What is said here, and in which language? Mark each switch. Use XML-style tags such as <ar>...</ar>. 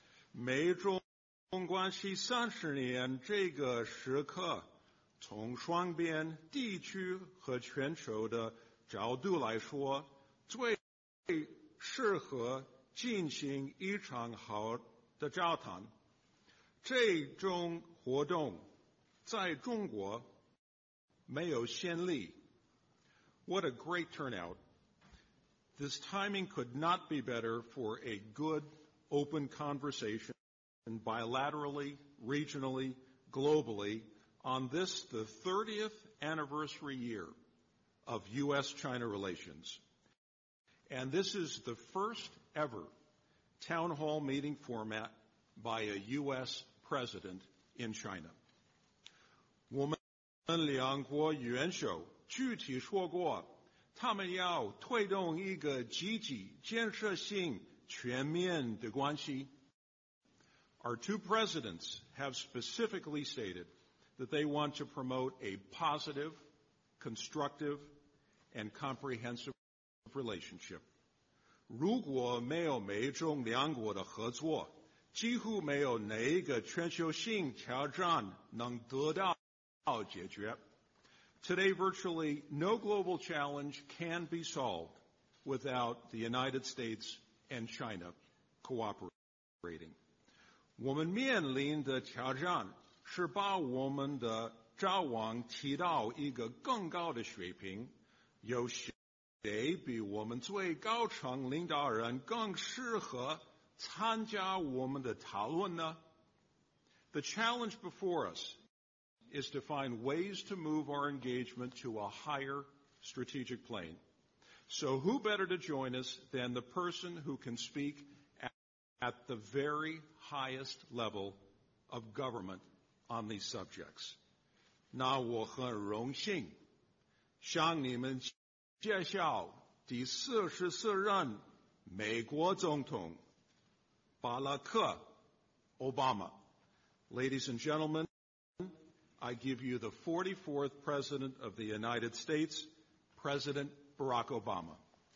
<zh>美中关系三十年这个时刻，从双边、地区和全球的角度来说，最适合进行一场好的交谈。这种活动在中国没有先例。</zh> <en>What a great turnout! This timing could not be better for a good, open conversation bilaterally, regionally, globally on this, the 30th anniversary year of U.S.-China relations. And this is the first ever town hall meeting format by a U.S. president in China.</en> <zh>我们两国元首具体说过他们要推动一个积极、建设性、全面的关系。</zh> <en>Our two presidents have specifically stated that they want to promote a positive, constructive, and comprehensive relationship.</en> <zh>如果没有美中两国的合作，几乎没有哪一个全球性挑战能得到解决。</zh> <en>Today, virtually no global challenge can be solved without the United States and China cooperating.</en> <zh>我们面临的挑战是把我们的交往提到一个更高的水平，有谁比我们最高层领导人更适合参加我们的讨论呢？</zh> <en>The challenge before us is to find ways to move our engagement to a higher strategic plane. So who better to join us than the person who can speak at the very highest level of government on these subjects?</en> <zh>那我很荣幸向你们介绍第44任美国总统巴拉克奥巴马。</zh> <en>Ladies and gentlemen, I give you the 44th President of the United States, President Barack Obama.</en>